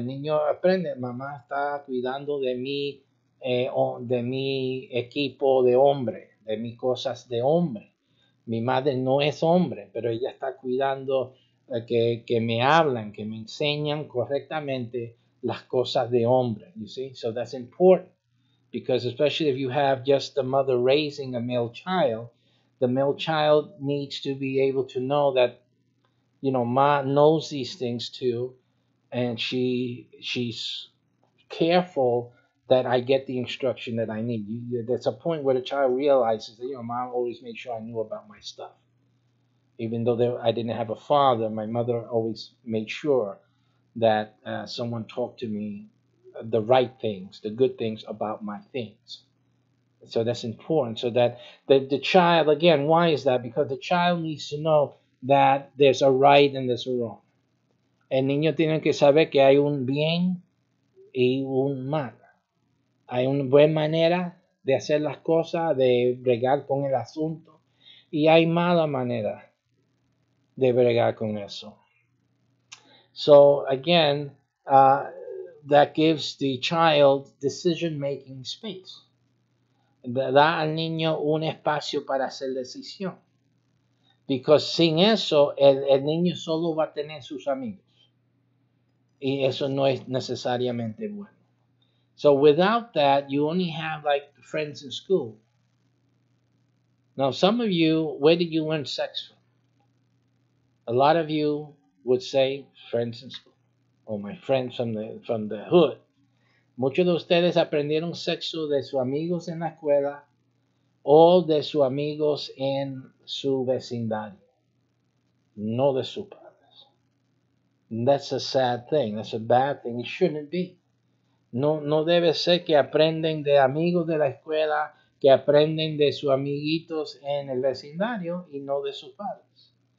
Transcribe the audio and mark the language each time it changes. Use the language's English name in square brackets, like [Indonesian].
[Spanish] El niño aprende, mamá está cuidando de mi equipo de hombre, de mis cosas de hombre. Mi madre no es hombre, pero ella está cuidando que me hablan, que me enseñan correctamente las cosas de hombre. [English] You see? So that's important. Because especially if you have just the mother raising a male child, the male child needs to be able to know that, you know, Ma knows these things too, and she's careful that I get the instruction that I need. There's a point where the child realizes that, you know, Ma always made sure I knew about my stuff. even though I didn't have a father, my mother always made sure that someone talked to me the right things, the good things about my things. So that's important. So that the child, again, why is that? Because the child needs to know that there's a right and there's a wrong. [Spanish] El niño tiene que saber que hay un bien y un mal. Hay una buena manera de hacer las cosas, de bregar con el asunto, y hay mala manera de bregar con eso. [English] So again, that gives the child decision-making space. [Spanish] Da al niño un espacio para hacer decisión. Because sin eso, el niño solo va a tener sus amigos. Y eso no es necesariamente bueno. [English] So without that, you only have like friends in school. Now some of you, where did you learn sex from? A lot of you would say friends in school. Or my friends from the hood. [Spanish] Muchos de ustedes aprendieron sexo de sus amigos en la escuela o de sus amigos en su vecindario, no de sus padres. [English] That's a sad thing. That's a bad thing. It shouldn't be. [Spanish] No debe ser que aprenden de amigos de la escuela, que aprenden de sus amiguitos en el vecindario y no de sus padres.